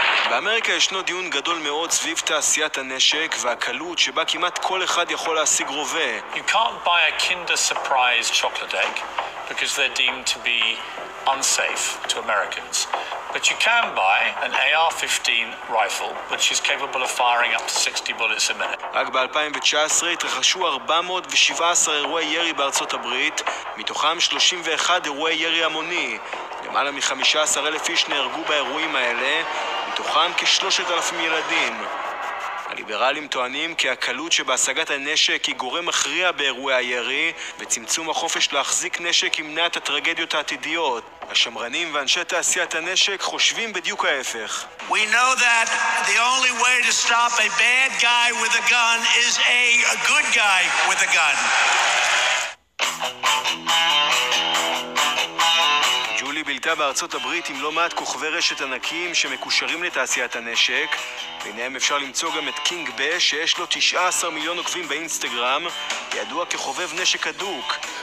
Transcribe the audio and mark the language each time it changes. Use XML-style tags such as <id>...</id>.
<he>באמריקה ישנו דיון גדול מאוד סביב תעשיית הנשק והקלות שבה כמעט כל אחד יכול להשיג רובה.</he> <en>You can't buy a Kinder Surprise chocolate egg because they're deemed to be unsafe to Americans. But you can buy an AR-15 rifle which is capable of firing up to 60 bullets a minute.</en> <he>רק ב-2019 התרחשו 417 אירועי ירי בארצות הברית, מתוכם 31 אירועי ירי המוני. למעלה מ-15,000 איש נהרגו באירועים האלה, מתוכם כ-3,000 ילדים. הליברלים טוענים כי הקלות שבהשגת הנשק היא גורם מכריע באירועי הירי, וצמצום החופש להחזיק נשק ימנע את הטרגדיות העתידיות. השמרנים ואנשי תעשיית הנשק חושבים בדיוק ההפך.</he> <en>We know that the only way to stop a bad guy with a gun is a good guy with a gun.</en> <he>בילתה הייתה בארצות הברית עם לא מעט כוכבי רשת ענקיים שמקושרים לתעשיית הנשק. ביניהם אפשר למצוא גם את קינג ב, שיש לו 19 מיליון עוקבים באינסטגרם, ידוע כחובב נשק הדוק.</he>